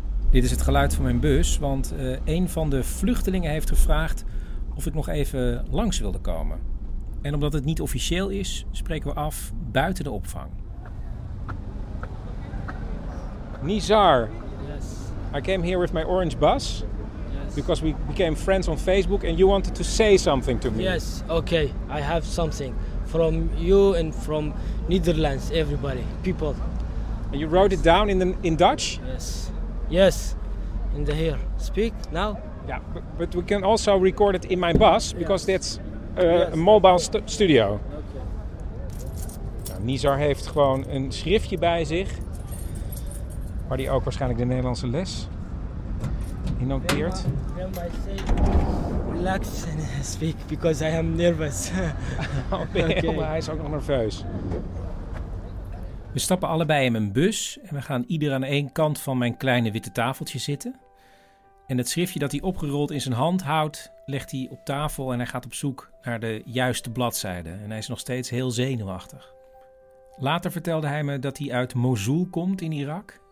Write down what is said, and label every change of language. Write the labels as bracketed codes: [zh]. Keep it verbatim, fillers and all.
[nl] Dit is het geluid van mijn bus, want uh, een van de vluchtelingen heeft gevraagd of ik nog even langs wilde komen. En omdat het niet officieel is, spreken we af buiten de opvang. [en] Nizar. Yes. I came here with my orange bus yes. because we became friends on Facebook and you wanted to say something to me. Yes, okay. I have something from you and from Netherlands, everybody, people. And you wrote it down in the, in Dutch? Yes. Yes. In the here. Speak now. Yeah, but, but we can also record it in my bus because yes. that's uh, yes. a mobile stu- studio. Okay. [nl] Nou, Nizar heeft gewoon een schriftje bij zich. Waar die ook waarschijnlijk de Nederlandse les in noteert. [en] Then I say, relax and speak, because I am nervous. oh, okay. Okay. [nl] Maar hij is ook nog nerveus. We stappen allebei in mijn bus en we gaan ieder aan één kant van mijn kleine witte tafeltje zitten. En het schriftje dat hij opgerold in zijn hand houdt, legt hij op tafel en hij gaat op zoek naar de juiste bladzijde. En hij is nog steeds heel zenuwachtig. Later vertelde hij me dat hij uit Mosul komt in Irak.